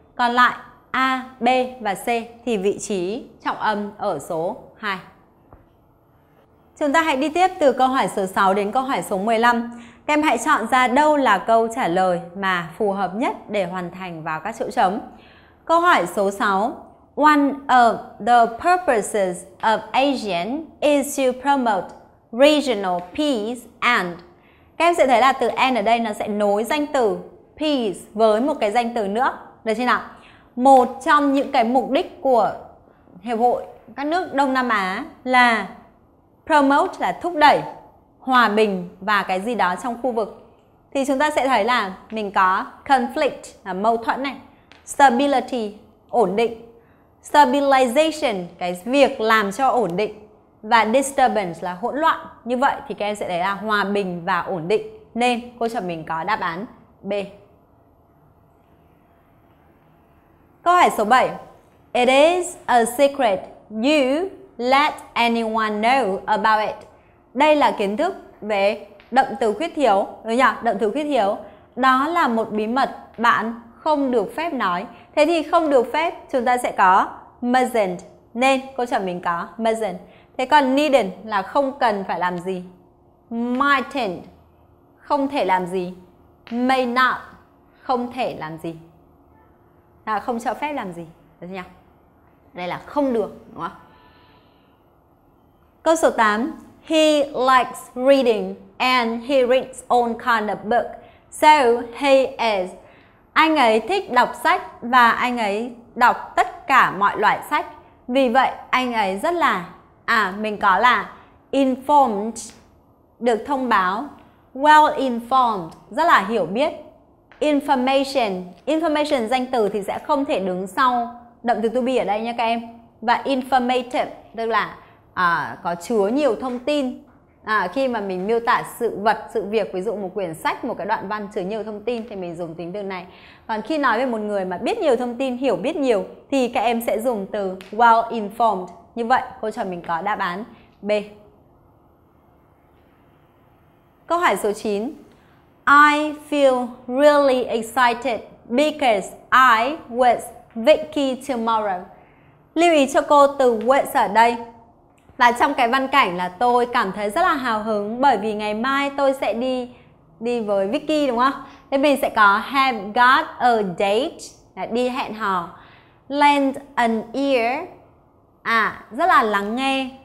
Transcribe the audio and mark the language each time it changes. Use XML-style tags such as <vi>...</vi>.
<vi>Còn lại A, B và C thì vị trí trọng âm ở số 2. Chúng ta hãy đi tiếp từ câu hỏi số 6 đến câu hỏi số 15. Các em hãy chọn ra đâu là câu trả lời mà phù hợp nhất để hoàn thành vào các chỗ trống. Câu hỏi số 6.</vi> <en>One of the purposes of ASEAN is to promote regional peace and...</en> <vi>Các em sẽ thấy là từ N ở đây nó sẽ nối danh từ peace với một cái danh từ nữa. Được chưa nào? Một trong những cái mục đích của Hiệp hội các nước Đông Nam Á là promote, là thúc đẩy hòa bình và cái gì đó trong khu vực. Thì chúng ta sẽ thấy là mình có conflict, là mâu thuẫn này. Stability, ổn định. Stabilization, cái việc làm cho ổn định. Và disturbance là hỗn loạn. Như vậy thì các em sẽ thấy là hòa bình và ổn định. Nên cô cho mình có đáp án B. Câu hỏi số 7.</vi> <en>It is a secret you let anyone know about it.</en> <vi>Đây là kiến thức về động từ khuyết thiếu, đúng nhỉ? Động từ khuyết thiếu. Đó là một bí mật bạn không được phép nói. Thế thì không được phép chúng ta sẽ có mustn't, nên câu trả lời mình có mustn't. Thế còn needn't là không cần phải làm gì. Mightn't, không thể làm gì. May not, không thể làm gì. Là không cho phép làm gì, được chưa nhỉ? Đây là không được, đúng không? Câu số 8.</vi> <en>He likes reading and he reads all kind of book. So he is.</en> <vi>Anh ấy thích đọc sách và anh ấy đọc tất cả mọi loại sách. Vì vậy anh ấy rất là, mình có là informed, được thông báo. Well informed, rất là hiểu biết. Information, information danh từ thì sẽ không thể đứng sau động từ to be ở đây nha các em. Và informative, tức là có chứa nhiều thông tin. Khi mà mình miêu tả sự vật, sự việc, ví dụ một quyển sách, một cái đoạn văn chứa nhiều thông tin thì mình dùng tính từ này. Còn khi nói về một người mà biết nhiều thông tin, hiểu biết nhiều thì các em sẽ dùng từ well informed. Như vậy, câu trả lời mình có đáp án B. Câu hỏi số 9.</vi> <en>I feel really excited because I with Vicky tomorrow.</en> <vi>Lưu ý cho cô từ with ở đây. Và trong cái văn cảnh là tôi cảm thấy rất là hào hứng bởi vì ngày mai tôi sẽ đi với Vicky, đúng không? Thế mình sẽ có</vi> <en>have got a date,</en> <vi>là đi hẹn hò.</vi> <en>Lend an ear,</en> <vi>rất là lắng nghe.</vi>